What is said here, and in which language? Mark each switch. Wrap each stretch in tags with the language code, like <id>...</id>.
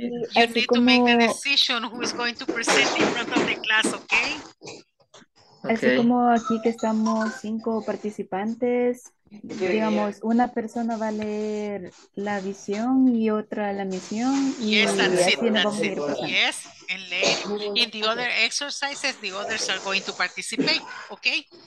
<en>You need to make a decision who is going to present in front of the class, okay?</en> <es>Así como aquí que estamos 5 participantes, digamos, una persona va a leer la visión y otra la misión. Y</es> <en>yes, that's it. Yes, and later. In the other exercises, the others are going to participate, okay?</en>